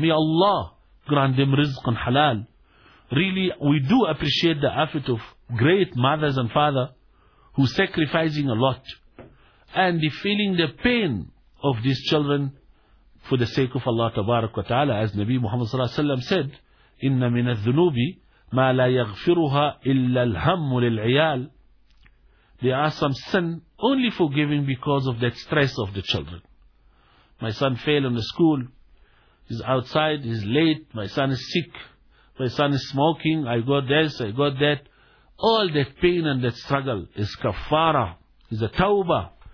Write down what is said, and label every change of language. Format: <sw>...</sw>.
<en>May Allah grant them rizq and halal. Really, we do appreciate the effort of great mothers and fathers who are sacrificing a lot and feeling the pain of these children for the sake of Allah tabarak wa ta'ala. As Nabi Muhammad sallallahu alayhi wa sallam said,</en> <ar>إِنَّ مِنَ الذُّنُوبِ مَا لَا يَغْفِرُهَا إِلَّا الْهَمُّ لِلْعِيَالِ.</ar> <en>There are some sin only forgiving because of that stress of the children. My son failed in the school. He's outside. He's late. My son is sick. My son is smoking. I got this. I got that. All that pain and that struggle is kafara. Is a tawbah.</en>